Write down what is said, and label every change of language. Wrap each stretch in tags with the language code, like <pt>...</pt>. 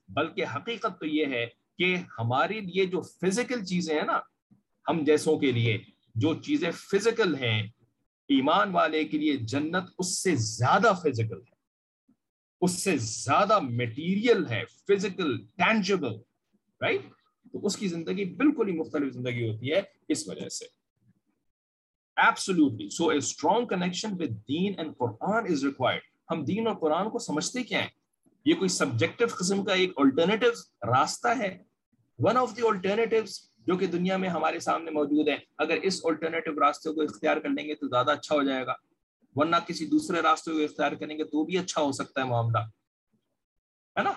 <ur>بلکہ حقیقت تو یہ ہے کہ ہمارے لیے جو فزیکل چیزیں ہیں نا, ہم جیسوں کے لیے جو چیزیں فزیکل ہیں, ایمان والے کے لیے جنت اس سے زیادہ فزیکل ہے, اس سے زیادہ مٹیریل ہے,</ur> <en>Physical tangible, right.</en> <ur>تو اس کی زندگی بالکل ہی مختلف زندگی ہوتی ہے اس وجہ سے.</ur> <en>Absolutely. So a strong connection with deen and Quran is required.</en> <ur>ہم دین اور قرآن کو سمجھتے کیا ہیں, یہ کوئی سبجیکٹو قسم کا ایک آلٹرنیٹو راستہ ہے,</ur> <en>one of the alternative</en> <ur>جو کہ دنیا میں ہمارے سامنے موجود ہے, اگر اس آلٹرنیٹو راستے کو اختیار کر لیں گے تو زیادہ اچھا ہو جائے گا, ورنہ کسی دوسرے راستے کو اختیار کریں گے تو بھی اچھا ہو سکتا ہے معاملہ, ہے نا.</ur>